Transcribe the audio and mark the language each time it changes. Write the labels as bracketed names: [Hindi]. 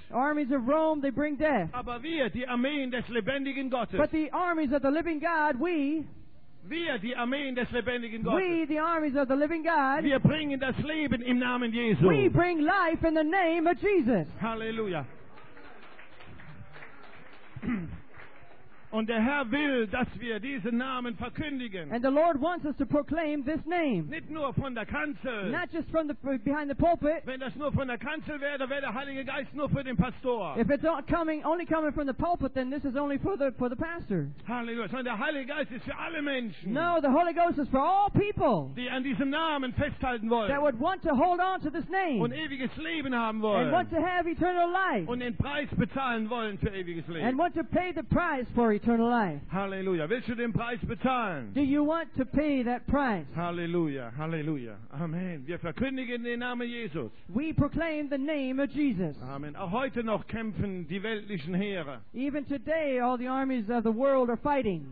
[English] Armies of Rome, they bring death. [German] Aber wir, die Armeen des lebendigen Gottes. [English] But the armies of the living God, we. [German] Wir, die Armeen des lebendigen Gottes. [English] We, the armies of the living God. [German] Wir bringen das Leben im Namen Jesu. [English] We bring life in the name of Jesus. Halleluja. [German] Und der Herr will, dass wir diesen Namen verkündigen. [English] And the Lord wants us to proclaim this name. [German] Nicht nur von der Kanzel. [English] Not just from the behind the pulpit. [German] Wenn das nur von der Kanzel wäre, dann wäre der Heilige Geist nur für den Pastor. [English] If it's only coming from the pulpit, then this is only for the pastor. Hallelujah. [German] Sondern der Heilige Geist ist für alle Menschen. [English] No, the Holy Ghost is for all people. [German] Die an diesem Namen festhalten wollen. [English] That would want to hold on to this name. [German] Und ewiges Leben haben wollen. [English] And want to have eternal life. [German] Und den Preis bezahlen wollen für ewiges Leben. [English] And want to pay the price for eternal life. [German] Hallelujah. Willst du den Preis bezahlen? [English] Do you want to pay that price? [German] Hallelujah. Hallelujah. Amen. Wir verkündigen den Namen Jesus. [English] We proclaim the name of Jesus. [German] Amen. Auch heute noch kämpfen die weltlichen Heere. [English] Even today all the armies of the world are fighting.